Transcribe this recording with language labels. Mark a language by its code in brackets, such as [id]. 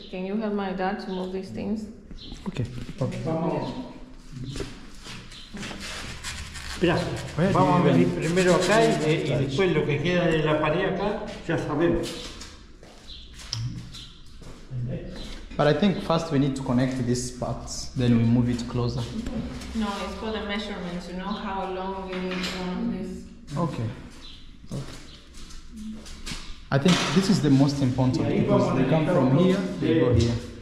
[en] Can you help my dad to move these things? Okay. [es] Mira, vamos a venir primero acá y después lo que queda de la pared acá, ya sabemos. [en] But I think first we need to connect this part, then we move it closer. No, it's for the measurements, you know how long you need this. Okay. I think this is the most important because they come from here, they go here.